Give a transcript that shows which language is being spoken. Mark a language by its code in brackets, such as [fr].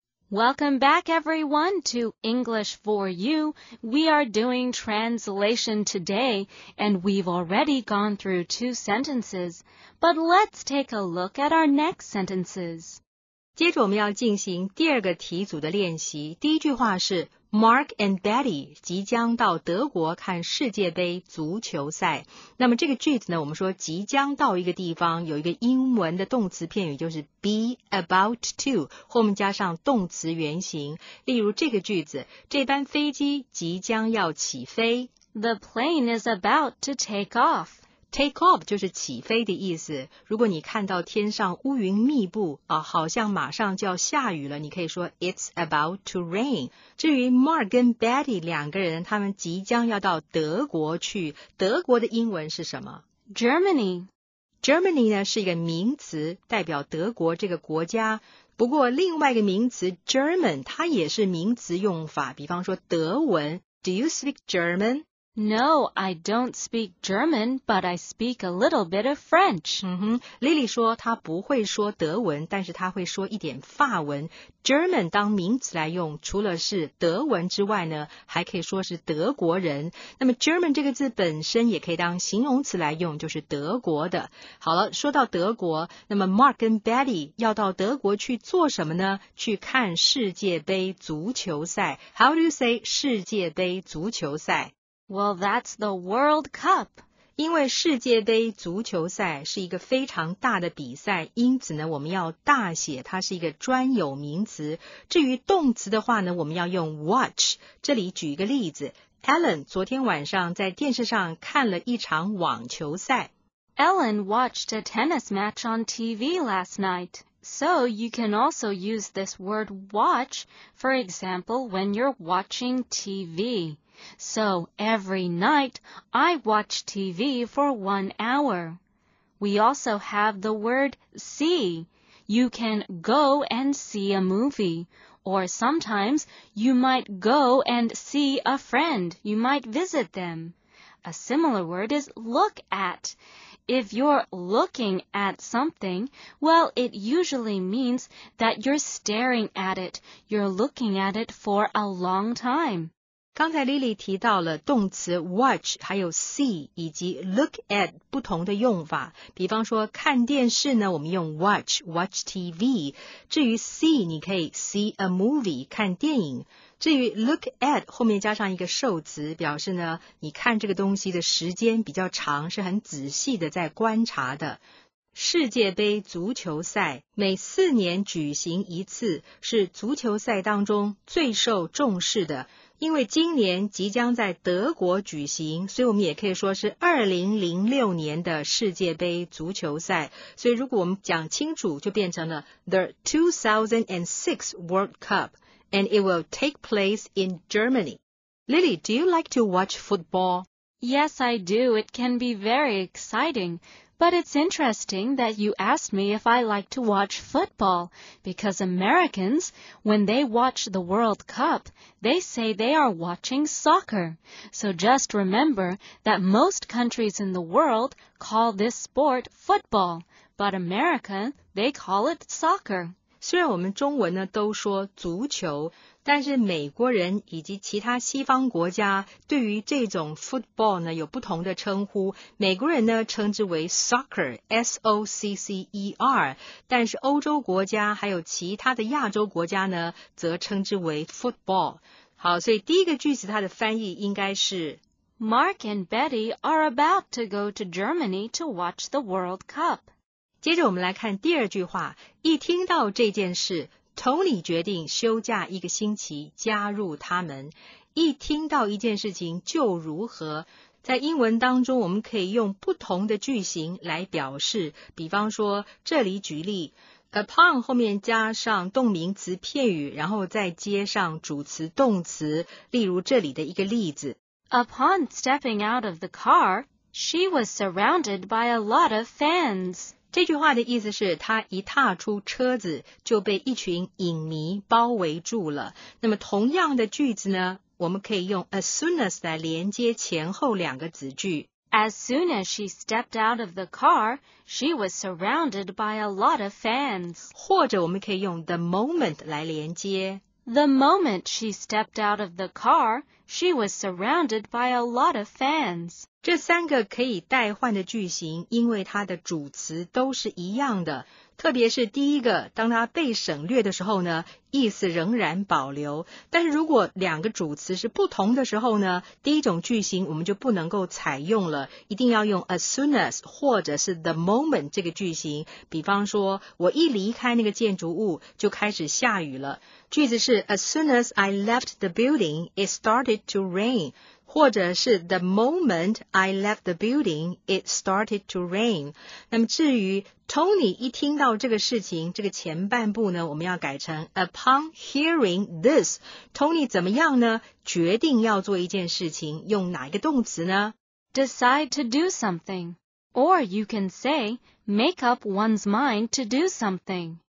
[en] Welcome back, everyone, to English for You. We are doing translation today, and we've already gone through two sentences. But let's take a look at our next sentences. [zh] 接着我们要进行第二个题组的练习。第一句话是 Mark and Betty 即将到德国看世界杯足球赛。那么这个句子呢，我们说即将到一个地方，有一个英文的动词片语就是 be about to, 后面加上动词原形。例如这个句子，这班飞机即将要起飞。 [en] The plane is about to take off. [zh] Take off 就是起飞的意思。如果你看到天上乌云密布啊，好像马上就要下雨了，你可以说 [en] It's about to rain. [zh] 至于 Mark 跟 Betty 两个人，他们即将要到德国去。德国的英文是什么？ [en] Germany. [zh] Germany 呢是一个名词，代表德国这个国家。不过另外一个名词 German 它也是名词用法，比方说德文。 [en] Do you speak German? No, I don't speak German, but I speak a little bit of French. [zh] Lily 说她不会说德文，但是她会说一点法文。 German 当名词来用，除了是德文之外呢，还可以说是德国人。那么 German 这个字本身也可以当形容词来用，就是德国的。好了，说到德国，那么 Mark 跟 Betty 要到德国去做什么呢？去看世界杯足球赛。 [en] How do you say [zh] 世界杯足球赛？ [en] Well, that's the World Cup. [zh] 因为世界杯足球赛是一个非常大的比赛，因此呢，我们要大写，它是一个专有名词。至于动词的话呢，我们要用 watch。这里举一个例子 ，Ellen 昨天晚上在电视上看了一场网球赛。 [en] Ellen watched a tennis match on TV last night. So you can also use this word watch, for example, when you're watching TV. So, every night, I watch TV for 1 hour. We also have the word see. You can go and see a movie. Or sometimes, you might go and see a friend. You might visit them. A similar word is look at. If you're looking at something, well, it usually means that you're staring at it. You're looking at it for a long time. [zh] 刚才 Lily 提到了动词 watch 还有 see 以及 look at 不同的用法，比方说看电视呢，我们用 watch TV， 至于 see 你可以 see a movie 看电影，至于 look at 后面加上一个受词，表示呢你看这个东西的时间比较长，是很仔细的在观察的。世界杯足球赛每四年举行一次，是足球赛当中最受重视的，因为今年即将在德国举行，所以我们也可以说是2006年的世界杯足球赛。所以如果我们讲清楚，就变成了 [en] The 2006 World Cup, and it will take place in Germany. Lily, do you like to watch football? Yes, I do. It can be very exciting. But it's interesting that you asked me if I like to watch football, because Americans, when they watch the World Cup, they say they are watching soccer. So just remember that most countries in the world call this sport football, but America, they call it soccer. [zh] 虽然我们中文呢都说足球，但是美国人以及其他西方国家对于这种 football 呢有不同的称呼。美国人呢称之为 soccer，S-O-C-C-E-R， 但是欧洲国家还有其他的亚洲国家呢则称之为 football。好，所以第一个句子它的翻译应该是 [en] Mark and Betty are about to go to Germany to watch the World Cup. [zh] 接着我们来看第二句话，一听到这件事 ,Tony 决定休假一个星期加入他们。一听到一件事情就如何，在英文当中我们可以用不同的句型来表示，比方说这里举例 ,upon 后面加上动名词片语，然后再接上主词动词，例如这里的一个例子。 [en] Upon stepping out of the car, she was surrounded by a lot of fans. [zh] 这句话的意思是他一踏出车子就被一群影迷包围住了。那么同样的句子呢，我们可以用 as soon as 来连接前后两个子句。 [en] As soon as she stepped out of the car, she was surrounded by a lot of fans. [zh] 或者我们可以用 the moment 来连接。 [en] The moment she stepped out of the car, she was surrounded by a lot of fans. [zh] 这三个可以代换的句型，因为它的主词都是一样的，特别是第一个，当它被省略的时候呢，意思仍然保留。但是如果两个主词是不同的时候呢，第一种句型我们就不能够采用了，一定要用 as soon as 或者是 the moment 这个句型。比方说，我一离开那个建筑物，就开始下雨了。句子是 [en] as soon as I left the building, it started to rain. [zh] 或者是 [en] the moment I left the building, it started to rain. [zh] 那么至于 Tony 一听到这个事情，这个前半部呢，我们要改成 [en] upon hearing this. [zh] Tony 怎么样呢？决定要做一件事情，用哪一个动词呢？ [en] Decide to do something. Or you can say, make up one's mind to do something.